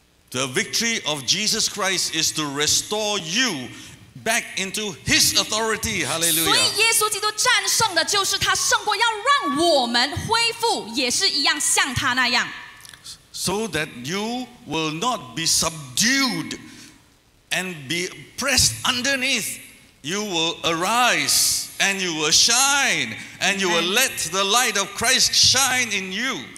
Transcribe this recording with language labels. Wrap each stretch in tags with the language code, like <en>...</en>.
<en>The victory of Jesus Christ is to restore you back into His authority. Hallelujah.</en> <zh>所以耶稣基督战胜的就是他胜过，要让我们恢复，也是一样像他那样。</zh> <en>So that you will not be subdued and be pressed underneath, you will arise. And you will shine, and you will let the light of Christ shine in you.</en>